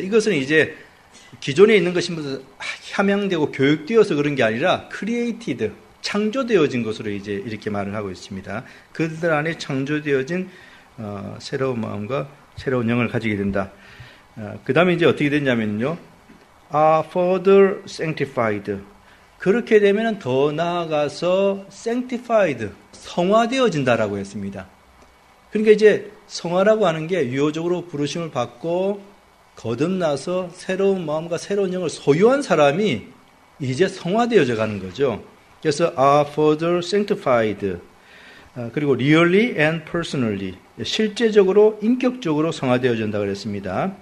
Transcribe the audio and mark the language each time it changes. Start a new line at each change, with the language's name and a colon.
Korean: 이것은 이제 기존에 있는 것이 무슨 함양되고 교육되어서 그런 게 아니라 크리에이티드, 창조되어진 것으로 이제 이렇게 말을 하고 있습니다. 그들 안에 창조되어진 새로운 마음과 새로운 영을 가지게 된다. 그 다음에 이제 어떻게 됐냐면요.
English: Are further sanctified.
Korean: 그렇게 되면 더 나아가서
English: sanctified,
Korean: 성화되어진다라고 했습니다. 그러니까 이제 성화라고 하는 게 유효적으로 부르심을 받고 거듭나서 새로운 마음과 새로운 영을 소유한 사람이 이제 성화되어져 가는 거죠. 그래서
English: are further sanctified.
Korean: 그리고
English: really and personally.
Korean: 실제적으로 인격적으로 성화되어진다 그랬습니다.